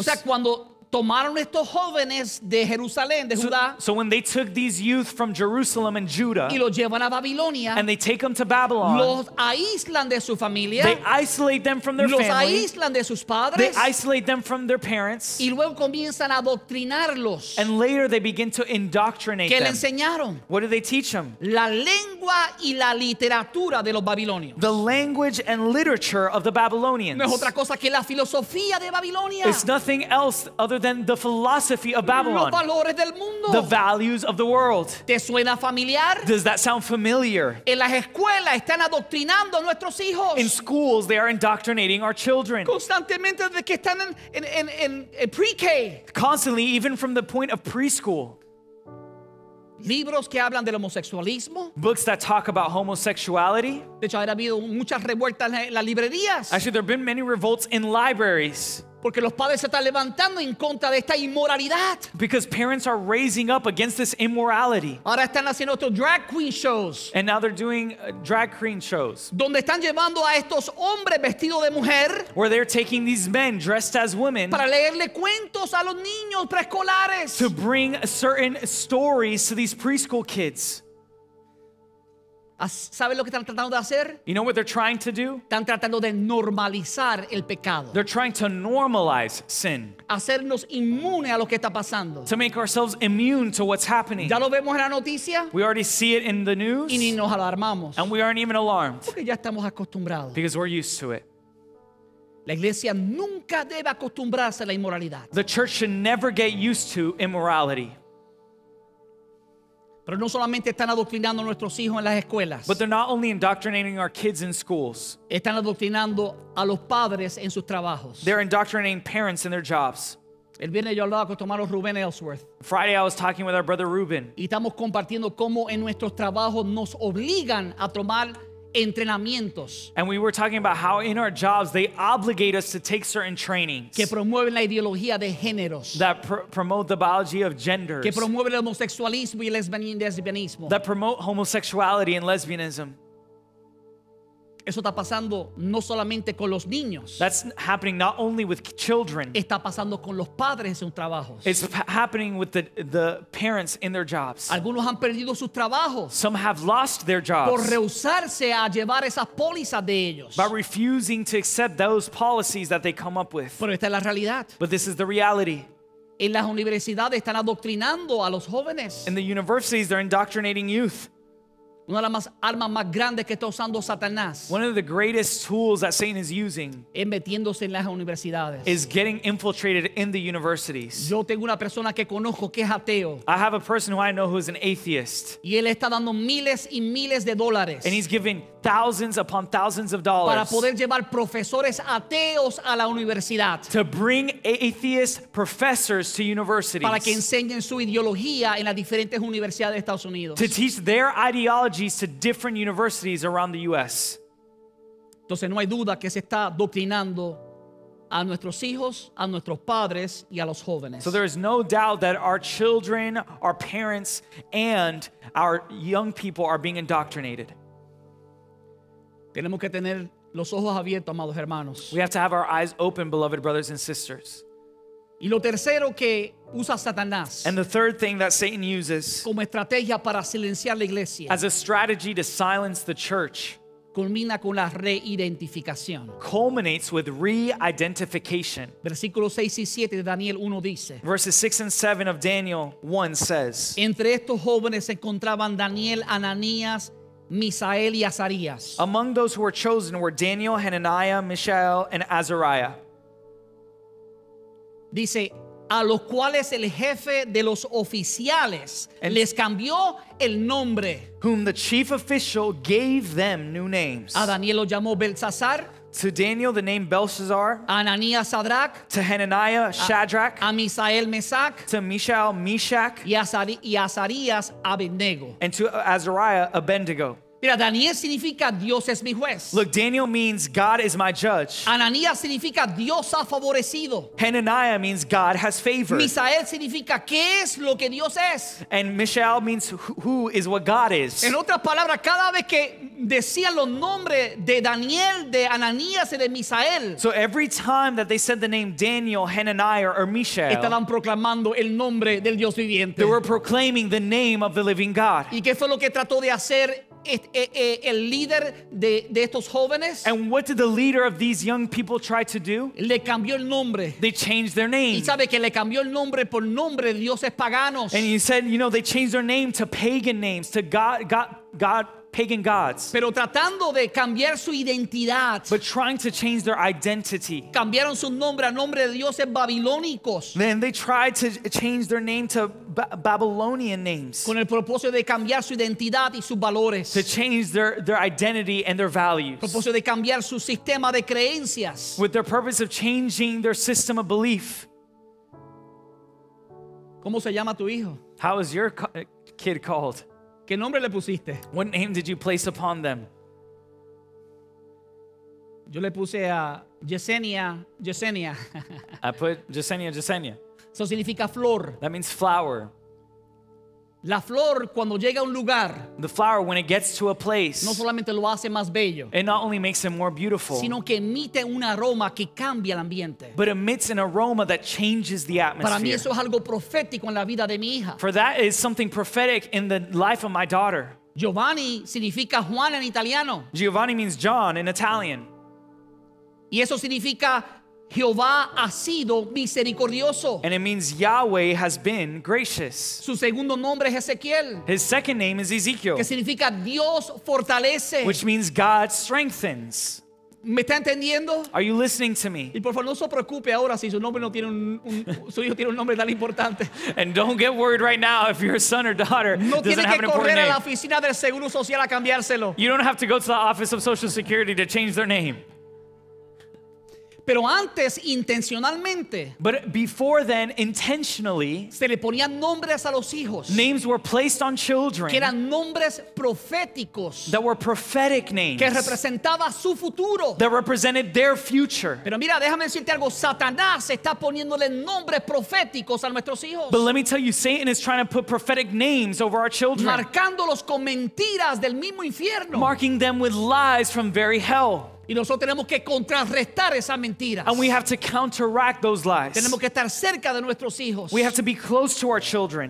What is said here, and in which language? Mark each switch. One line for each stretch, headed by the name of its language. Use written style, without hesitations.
Spanish: O sea, cuando tomaron estos jóvenes de Jerusalén, de Judá.
English: So when they took these youth from Jerusalem and Judah.
Spanish: Y los llevan a Babilonia.
English: And they take them to Babylon.
Spanish: Los aíslan de su familia.
English: They isolate them from their
Spanish: los
English: family.
Spanish: Los aíslan de sus padres.
English: They isolate them from their parents.
Spanish: Y luego comienzan a adoctrinarlos.
English: And later they begin to indoctrinate
Spanish: ¿Qué
English: them.
Spanish: ¿Qué le enseñaron?
English: What did they teach them?
Spanish: La lengua y la literatura de los babilonios.
English: The language and literature of the Babylonians.
Spanish: No es otra cosa que la filosofía de Babilonia.
English: It's nothing else other than the philosophy of Babylon.
Spanish: Los valores del mundo.
English: The values of the world.
Spanish: ¿Te suena familiar?
English: Does that sound familiar?
Spanish: En las escuelas están adoctrinando a nuestros hijos.
English: In schools they are indoctrinating our children.
Spanish: Constantemente desde que están en pre-K.
English: Constantly, even from the point of preschool.
Spanish: Libros que hablan del homosexualismo.
English: Books that talk about homosexuality.
Spanish: De hecho, ha habido muchas revueltas en las librerías.
English: Actually, there have been many revolts in libraries.
Spanish: Porque los padres se están levantando en contra de esta inmoralidad.
English: Because parents are raising up against this immorality.
Spanish: Ahora están haciendo otros
English: drag queen shows. And now they're doing drag queen shows.
Spanish: Donde están llevando a estos hombres vestidos de mujer.
English: Where they're taking these men dressed as women.
Spanish: Para leerle cuentos a los niños preescolares.
English: To bring certain stories to these preschool kids.
Spanish: ¿Sabes lo que están tratando de hacer?
English: You know what they're trying to do?
Spanish: Están tratando de normalizar el pecado.
English: They're trying to normalize sin.
Spanish: Hacernos inmune a lo que está pasando.
English: To make ourselves immune to what's happening.
Spanish: Ya lo vemos en la noticia.
English: We already see it in the news.
Spanish: Y ni nos alarmamos.
English: And we aren't even alarmed.
Spanish: Porque ya estamos acostumbrados.
English: Because we're used to it.
Spanish: La iglesia nunca debe acostumbrarse a la inmoralidad.
English: The church should never get used to immorality.
Spanish: Pero no solamente están adoctrinando a nuestros hijos en las escuelas.
English: But they're not only indoctrinating our kids in schools.
Spanish: Están adoctrinando a los padres en sus trabajos.
English: They're indoctrinating parents in their jobs.
Spanish: El viernes yo hablaba con tu hermano Rubén Ellsworth.
English: Friday I was talking with our brother Ruben.
Spanish: Y estamos compartiendo cómo en nuestros trabajos nos obligan a tomar entrenamientos.
English: And we were talking about how in our jobs they obligate us to take certain trainings.
Spanish: Que promueven la ideología de géneros.
English: That promote the biology of genders.
Spanish: Que promueven el homosexualismo y el lesbianismo.
English: That promote homosexuality and lesbianism.
Spanish: Eso está pasando no solamente con los niños.
English: That's happening not only with children.
Spanish: Está pasando con los padres en sus trabajos.
English: It's happening with the parents in their jobs.
Spanish: Algunos han perdido sus trabajos.
English: Some have lost their jobs.
Spanish: Por rehusarse a llevar esas pólizas de ellos.
English: By refusing to accept those policies that they come up with.
Spanish: Pero esta es la realidad.
English: But this is the reality.
Spanish: En las universidades están adoctrinando a los jóvenes.
English: In the universities they're indoctrinating youth.
Spanish: Una de las armas más grandes que está usando Satanás.
English: One of the greatest tools that Satan is using.
Spanish: Es metiéndose en las universidades.
English: Is getting infiltrated in the universities.
Spanish: Yo tengo una persona que conozco que es ateo.
English: I have a person who I know who is an atheist.
Spanish: Y él está dando miles y miles de dólares.
English: And he's giving thousands upon thousands of dollars.
Spanish: Para poder llevar profesores ateos a la universidad.
English: To bring atheist professors to universities.
Spanish: Para que enseñen su ideología en las diferentes universidades de Estados Unidos.
English: To teach their ideology to different universities around the U.S.
Spanish: Entonces no hay duda que se está doctrinando a nuestros hijos, a nuestros padres y a los jóvenes.
English: So there is no doubt that our children, our parents, and our young people are being indoctrinated.
Spanish: Tenemos que tener los ojos abiertos, amados hermanos.
English: We have to have our eyes open, beloved brothers and sisters.
Spanish: Y lo tercero que usa Satanás.
English: And the third thing that Satan uses.
Spanish: Como estrategia para silenciar la iglesia.
English: As a strategy to silence the church.
Spanish: Culmina con la reidentificación.
English: Culminates with re-identification.
Spanish: Versículos 6 y 7 de Daniel 1 dice.
English: Verses 6 and 7 of Daniel 1 says.
Spanish: Entre estos jóvenes se encontraban Daniel, Ananías, Misael y Azarías.
English: Among those who were chosen were Daniel, Hananiah, Mishael and Azariah.
Spanish: Dice, a los cuales el jefe de los oficiales and les cambió el nombre.
English: Whom the chief official gave them new names.
Spanish: A Daniel lo llamó Belsasar.
English: To Daniel the name Belshazzar.
Spanish: Ananías Sadrach.
English: To Hananiah Shadrach.
Spanish: A Misael Mesach.
English: To Mishael Meshach.
Spanish: Y Azarías Abednego.
English: And to Azariah Abednego.
Spanish: Mira, Daniel significa Dios es mi juez.
English: Look, Daniel means God is my judge.
Spanish: Ananías significa Dios ha favorecido.
English: Hananiah means God has favored.
Spanish: Misael significa qué es lo que Dios es.
English: And Mishael means who is what God is.
Spanish: En otras palabras, cada vez que decían los nombres de Daniel, de Ananías y de Misael.
English: So every time that they said the name Daniel, Hananiah or Mishael.
Spanish: Estaban proclamando el nombre del Dios viviente.
English: They were proclaiming the name of the living God.
Spanish: ¿Y qué fue lo que trató de hacer el líder de estos jóvenes?
English: And what did the leader of these young people try to do?
Spanish: Le cambió el nombre.
English: They changed their name.
Spanish: Y sabe que le cambió el nombre por nombre de dioses paganos.
English: And he said, you know, they changed their name to pagan names, to God pagan gods.
Spanish: Pero tratando de cambiar su identidad.
English: But trying to change their identity.
Spanish: Cambiaron su nombre a nombre de dioses babilónicos.
English: Then they tried to change their name to Babylonian names.
Spanish: Con el propósito de cambiar su identidad y sus valores.
English: To change their identity and their values.
Spanish: Propósito de cambiar su sistema de creencias.
English: With their purpose of changing their system of belief.
Spanish: ¿Cómo se llama tu hijo?
English: How is your kid called?
Spanish: ¿Qué nombre le pusiste?
English: What name did you place upon them?
Spanish: Yo le puse a Yesenia, Yesenia.
English: I put Yesenia, Yesenia.
Spanish: Eso significa flor.
English: That means flower.
Spanish: La flor cuando llega a un lugar.
English: The flower when it gets to a place.
Spanish: No solamente lo hace más bello.
English: It not only makes it more beautiful.
Spanish: Sino que emite un aroma que cambia el ambiente.
English: But emits an aroma that changes the atmosphere.
Spanish: Para mí eso es algo profético en la vida de mi hija.
English: For that is something prophetic in the life of my daughter.
Spanish: Giovanni significa Juan en italiano.
English: Giovanni means John in Italian.
Spanish: Y eso significa Jehová ha sido misericordioso.
English: And it means Yahweh has been gracious.
Spanish: Su segundo nombre es Ezequiel.
English: His second name is Ezekiel.
Spanish: Que significa Dios fortalece.
English: Which means God strengthens.
Spanish: ¿Me está entendiendo?
English: Are you listening to me?
Spanish: Y por favor, no se preocupe ahora si su nombre no tiene un su hijo tiene un nombre tan importante.
English: And don't get worried right now if your son or daughter
Spanish: no
English: doesn't
Spanish: tiene
English: have
Spanish: que correr a la oficina del Seguro Social a cambiárselo.
English: You don't have to go to the office of Social Security to change their name.
Spanish: Pero antes, intencionalmente,
English: but before then, intentionally,
Spanish: se le ponían nombres a los hijos,
English: names were placed on children,
Spanish: que eran nombres proféticos,
English: that were prophetic names,
Spanish: que representaba su futuro,
English: that represented their future.
Spanish: Pero mira, déjame decirte algo, Satanás está poniéndole nombres proféticos a nuestros hijos.
English: But let me tell you, Satan is trying to put prophetic names over our children,
Spanish: marcándolos con mentiras del mismo infierno,
English: marking them with lies from very hell.
Spanish: Y nosotros tenemos que contrarrestar esas mentiras.
English: And we have to counteract those lies.
Spanish: Tenemos que estar cerca de nuestros hijos.
English: We have to be close to our children.